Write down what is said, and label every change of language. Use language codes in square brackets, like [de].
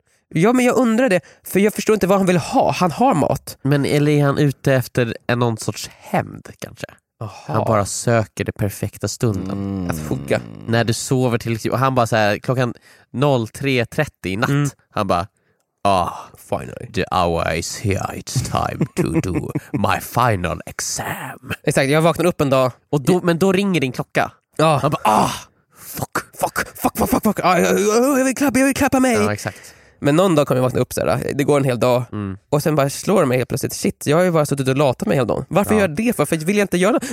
[sv] Ja, men jag undrar det, för jag förstår inte vad han vill ha. Han har mat. Men eller är han ute efter någon sorts hämnd kanske? Aha. Han bara söker det perfekta stunden. Mm. Att fucka. När du sover till, och han bara så här, klockan 03:30 i natt. Mm. Han bara, ah, [en] finally. The hour is here, it's time to do my final exam. [sv] Exakt, jag vaknar upp en dag. Och då, men då ringer din klocka. Ja. Han bara, ah, fuck. Jag vill klappa mig. Ja, exakt. Men någon dag kommer jag vakna upp såhär. Det går en hel dag. Mm. Och sen bara slår det mig helt plötsligt. Shit, jag har ju bara suttit och latat mig hela dagen. Varför, ja, gör jag det? Varför vill jag inte göra det?